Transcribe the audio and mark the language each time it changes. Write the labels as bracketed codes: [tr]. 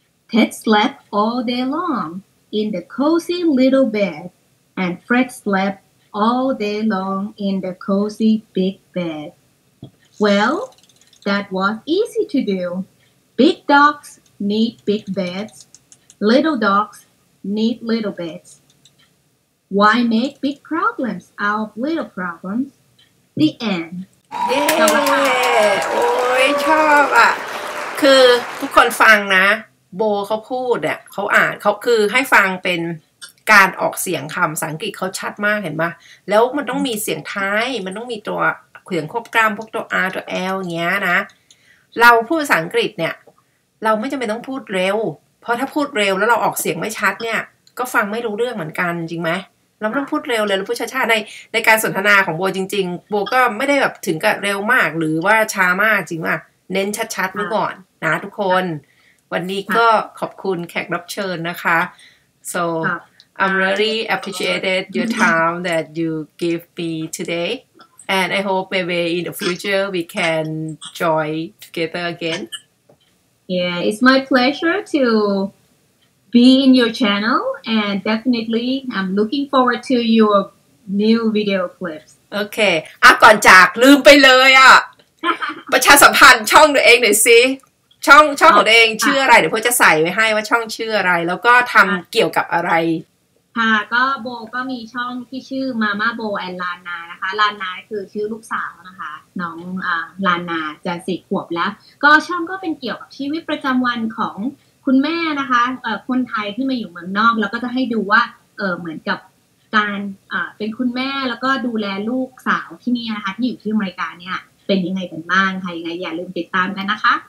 [en] Ted slept all day long. In the cozy little bed, and Fred slept all day long in the cozy big bed. Well, that was easy to do. Big dogs need big beds. Little dogs need little beds. Why make big problems out of little problems? the end [th] เย้โอ้ยชอบอ่ะคือทุกคนฟังนะโบเขาพูดอ่ะเขาอ่านเขาคือให้ฟังเป็นการออกเสียงคำภาษาอังกฤษเขาชัดมากเห็นป่ะแล้วมันต้องมีเสียงท้ายมันต้องมีตัวเสียงควบกล้ามพวกตัว R ตัว L อย่างเงี้ยนะ เราพูดภาษาอังกฤษเนี่ยเราไม่จำเป็นต้องพูดเร็วเพราะถ้าพูดเร็วแล้วเราออกเสียงไม่ชัดเนี่ยก็ฟังไม่รู้เรื่องเหมือนกันจริงไหมเราต้องพูดเร็วเลยเราพูดช้าๆในการสนทนาของโบจริงๆโบก็ไม่ได้แบบถึงกับเร็วมากหรือว่าช้ามากจริงป่ะเน้นชัดๆไว้ก่อนนะทุกคนวันนี้ก็ขอบคุณแขกรับเชิญนะคะ [en] soI'm really appreciated your time that you give me today. And I hope maybe in the future we can join together again. Yeah, it's my pleasure to be in your channel. And definitely, I'm looking forward to your new video clips. Okay. [th] ก่อนจากลืมไปเลยอ่ะประชาสัมพันธ์ช่องตัวเองหน่อยสิช่องของตัวเองชื่ออะไรเดี๋ยวพวกจะใส่ไว้ให้ว่าช่องชื่ออะไรแล้วก็ทำเกี่ยวกับอะไร ค่ะก็โบก็มีช่องที่ชื่อมาม่าโบแอนลานานะคะลานาคือชื่อลูกสาวนะคะน้องลานาจะ4ขวบแล้วก็ช่องก็เป็นเกี่ยวกับชีวิตประจำวันของคุณแม่นะคะคนไทยที่มาอยู่เมืองนอกแล้วก็จะให้ดูว่าเหมือนกับการเป็นคุณแม่แล้วก็ดูแลลูกสาวที่นี่นะคะที่อยู่ที่อเมริกาเนี่ยเป็นยังไงกันบ้างค่ะยังไงอย่าลืมติดตามกันนะคะ